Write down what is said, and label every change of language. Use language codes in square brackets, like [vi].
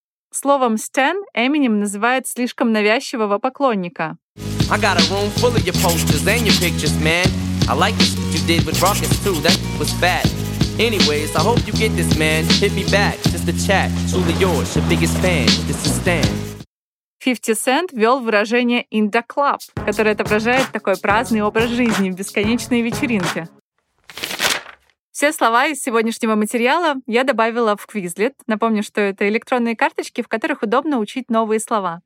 [ru] Словом «stan» Eminem называет слишком навязчивого поклонника. [en] I got a room full of your posters and your pictures, man. I like this what you did with Rockets too, that was bad. Anyways, I hope you get this, man. Hit me back, just a chat. Truly yours, your biggest fan, this is Stan. [ru] 50 Cent ввел выражение «in the club», которое отображает такой праздный образ жизни в бесконечной вечеринке. Все слова из сегодняшнего материала я добавила в Quizlet. Напомню, что это электронные карточки, в которых удобно учить новые слова.